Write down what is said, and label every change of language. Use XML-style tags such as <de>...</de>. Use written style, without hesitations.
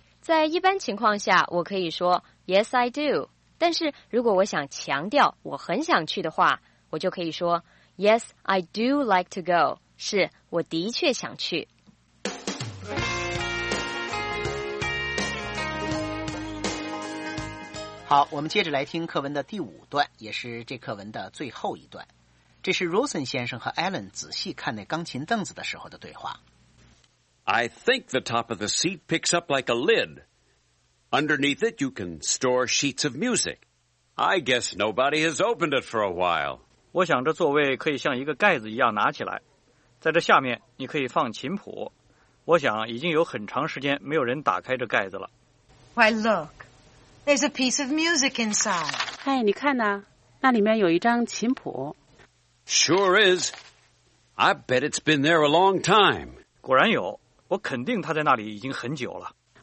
<zh>在一般情况下我可以说</zh> <en>Yes, I do，</en> <zh>但是如果我想强调我很想去的话，我就可以说</zh> <en>Yes, I do like to go，</en> <zh>是我的确想去。好，我们接着来听课文的第五段，也是这课文的最后一段。这是 Rosen 先生和 Alan 仔细看那钢琴凳子的时候的对话。</zh> <en>I think the top of the seat picks up like a lid. Underneath it, you can store sheets of music. I guess nobody has opened it for a while.</en> <zh>我想这座位可以像一个盖子一样拿起来。在这下面，你可以放琴谱。我想已经有很长时间没有人打开这盖子了。</zh> <en>Why, look. There's a piece of music inside.</en> <zh>哎，你看呢？那里面有一张琴谱。</zh> <en>Sure is. I bet it's been there a long time.</en> <zh>果然有，我肯定他在那里已经很久了。</zh>